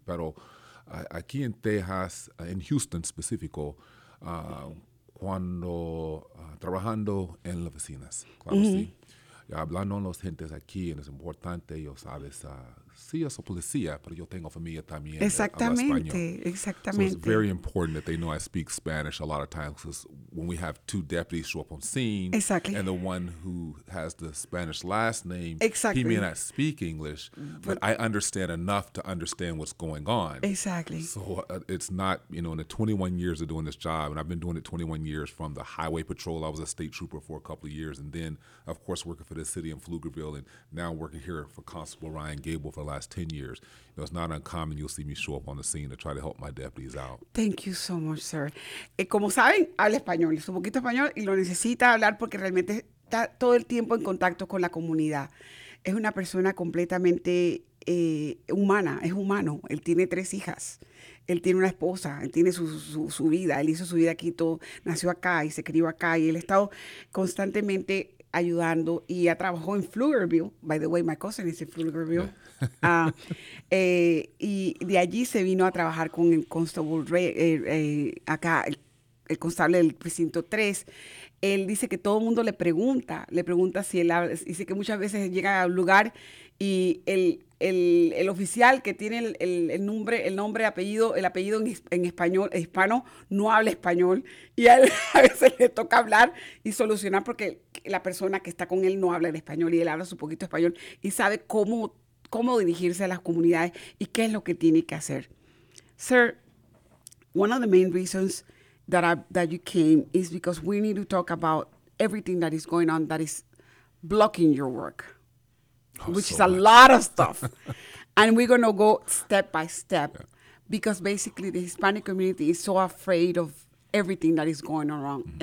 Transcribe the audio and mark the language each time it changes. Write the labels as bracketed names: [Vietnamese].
[Spanish] Pero aquí en Texas, en Houston específico, cuando trabajando en las vecinas, claro, mm-hmm. sí. Y hablando con las gentes aquí, es importante, yo sabes, sí, yo soy policía, pero yo tengo familia también. Exactamente, exactamente. [English] So it's very important that they know I speak Spanish a lot of times, because when we have two deputies show up on scene, exactly. and the one who has the Spanish last name, exactly. he may not speak English, but I understand enough to understand what's going on. Exactly. So it's not, you know, in the 21 years of doing this job, and I've been doing it 21 years from the highway patrol, I was a state trooper for a couple of years, and then, of course, working for the city in Pflugerville, and now working here for Constable Ryan Gable for the last 10 years. You know, it's not uncommon you'll see me show up on the scene to try to help my deputies out. Thank you so much, sir. [Spanish] Como saben, habla español. Es un poquito español y lo necesita hablar porque realmente está todo el tiempo en contacto con la comunidad. Es una persona completamente humana, es humano. Él tiene tres hijas. Él tiene una esposa, él tiene su vida. Él hizo su vida aquí, todo, nació acá y se crió acá. Y él ha estado constantemente ayudando y ya trabajó en Pflugerville. [English] By the way, my cousin is in Pflugerville. [Spanish] Y de allí se vino a trabajar con el constable acá, el constable del precinto 3. Él dice que todo el mundo le pregunta si él habla, dice que muchas veces llega a un lugar y el oficial que tiene el apellido en español, hispano, no habla español. Y a él a veces le toca hablar y solucionar porque la persona que está con él no habla el español y él habla su poquito español y sabe cómo dirigirse a las comunidades y qué es lo que tiene que hacer. [English] Sir, one of the main reasons that you came is because we need to talk about everything that is going on that is blocking your work. Oh, which so is much. A lot of stuff. And we're going to go step by step because basically the Hispanic community is so afraid of everything that is going on wrong, mm-hmm.